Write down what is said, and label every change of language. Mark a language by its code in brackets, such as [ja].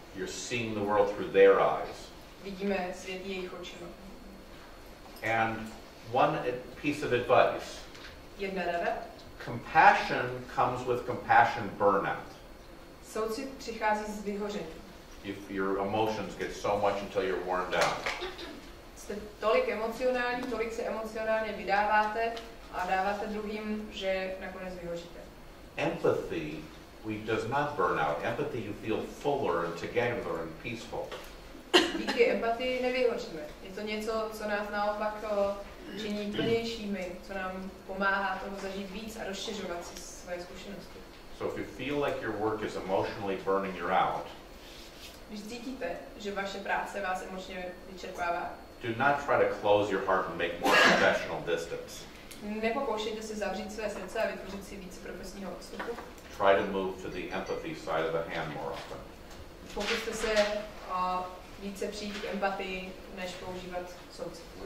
[en] You're seeing the world through their eyes. [cs] Vidíme svět jejich očima. [en] And one piece of advice. [cs] Jedna rada. [en] Compassion comes with compassion burnout. [cs] Soucit přichází z vyhoření. [en] If your emotions get so much until you're worn down. [cs] Jste tolik emocionální, tolik se emocionálně vydáváte a dáváte druhým, že nakonec vyhoříte. [en] Empathy does not burn out. Empathy you feel fuller and together and peaceful. [cs] Díky empatii nevyhoříme. Je to něco, co nás naopak činí plnějšími, co nám pomáhá toho zažít víc a rozšiřovat si své zkušenosti. [en] So if you feel like your work is emotionally burning you out, [cs] když cítíte, že vaše práce vás emočně vyčerpává, [en] do not try to close your heart and make more professional distance. [cs] Nepokoušejte se zavřít své srdce a vytvořit si víc profesního odstupu. [en] Try to move to the empathy side of the hand more often. [cs] Pokuste se více přijít k empatii, než používat soucit.